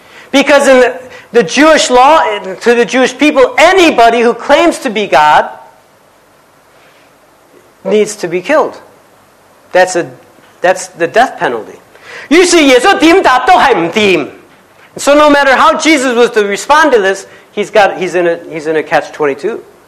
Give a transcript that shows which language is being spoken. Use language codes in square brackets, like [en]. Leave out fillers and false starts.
[en] Because in the Jewish law, to the Jewish people, anybody who claims to be God needs to be killed. That's the death penalty. [zh] 于是耶稣怎么答都是不行。 [en] So no matter how Jesus was to respond to this, he's in a catch 22.